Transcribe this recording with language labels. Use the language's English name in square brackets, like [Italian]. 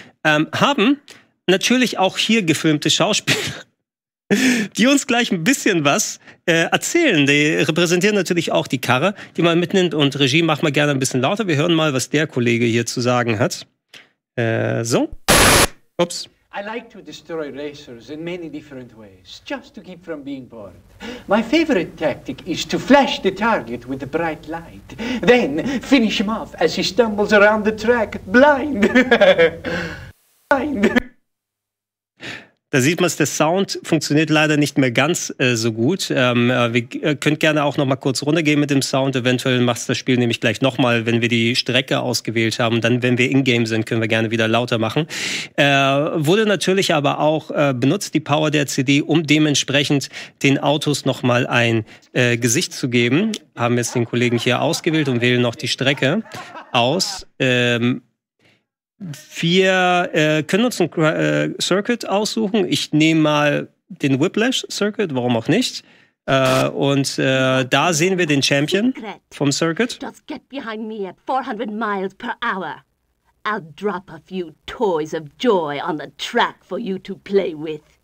[German] Haben natürlich auch hier gefilmte Schauspieler, die uns gleich ein bisschen was erzählen. Die repräsentieren natürlich auch die Karre, die man mitnimmt. Und Regie, mach mal gerne ein bisschen lauter. Wir hören mal, was der Kollege hier zu sagen hat. So. Ups. [English] I like to destroy racers in many different ways, just to keep from being bored. My favorite tactic is to flash the target with a bright light, then finish him off as he stumbles around the track, blind. Blind. [German] Da sieht man es, der Sound funktioniert leider nicht mehr ganz so gut. Wir könnt gerne auch noch mal kurz runtergehen mit dem Sound. Eventuell macht es das Spiel nämlich gleich noch mal, wenn wir die Strecke ausgewählt haben. Dann, wenn wir in-game sind, können wir gerne wieder lauter machen. Wurde natürlich aber auch benutzt, die Power der CD, um dementsprechend den Autos noch mal ein Gesicht zu geben. Haben jetzt den Kollegen hier ausgewählt und wählen noch die Strecke aus. Wir können uns ein Circuit aussuchen. Ich nehme mal den Whiplash-Circuit, warum auch nicht. Da sehen wir den Champion vom Circuit. [English] Just get behind me at 400 miles per hour. I'll drop a few toys of joy on the track for you to play with.